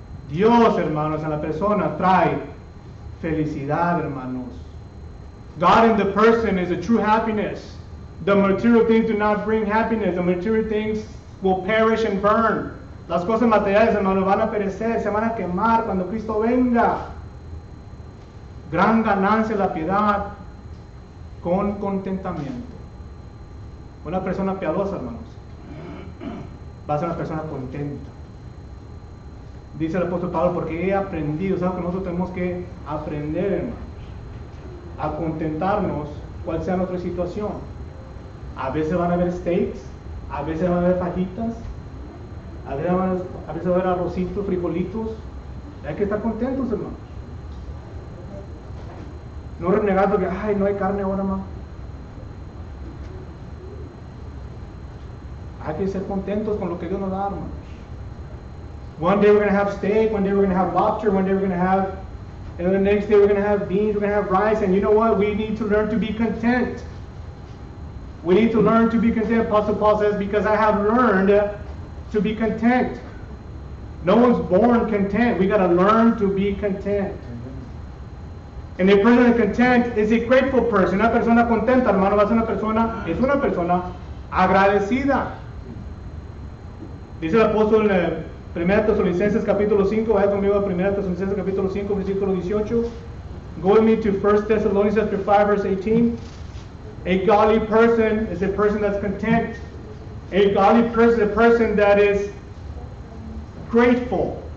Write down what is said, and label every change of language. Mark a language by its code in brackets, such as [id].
[es] Dios, hermanos, en la persona trae felicidad, hermanos. [en] God in the person is a true happiness. The material things do not bring happiness. The material things will perish and burn. [es] Las cosas materiales, hermanos, van a perecer, se van a quemar cuando Cristo venga. Gran ganancia la piedad con contentamiento. Una persona piadosa, hermanos, va a ser una persona contenta. Dice el apóstol Pablo, porque he aprendido, ¿sabes que nosotros tenemos que aprender, hermanos, a contentarnos cual sea nuestra situación? A veces van a haber steaks, a veces van a haber fajitas, a veces van a haber arrocitos, frijolitos. Hay que estar contentos, hermanos. No renegando que, ay, no hay carne ahora, hermano. Hay que ser contentos con lo que Dios nos da, hermanos. [en] One day we're going to have steak, one day we're going to have lobster, one day we're going to have, and the next day we're going to have beans, we're going to have rice, and you know what? We need to learn to be content. We need to learn to be content. Apostle Paul says, because I have learned to be content. No one's born content. We got to learn to be content. And a person of content is a grateful person. [es] Una persona contenta, hermano, es una persona agradecida. Dice el apóstol, 1 Tesalonicenses capítulo 5, vaya conmigo a 1 Tesalonicenses capítulo 5, versículo 18. [en] Go with me to 1 Thessalonians chapter 5, verse 18. A godly person is a person that's content. A godly person is a person that is grateful.